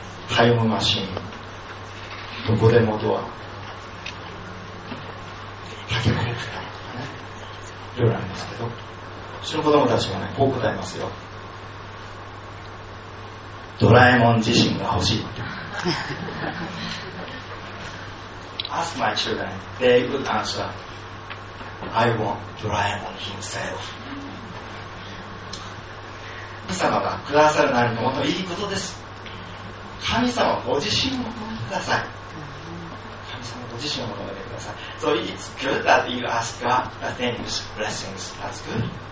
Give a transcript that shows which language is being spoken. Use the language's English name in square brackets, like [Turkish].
[Japanese] タイムマシン、どこでもドア、タケコレクターとかね、いろいろありますけど、うちの子供たちもね、こう答えますよ。ドラえもん自身が欲しい。 [English] Ask my children, they would answer, I want ドラえもん himself. [Japanese] 神様がくださるなりのもの、いいことです。神様ご自身を求めてください。神様ご自身を求めてください。 [English] So it's good that you ask God the things, blessings, that's good.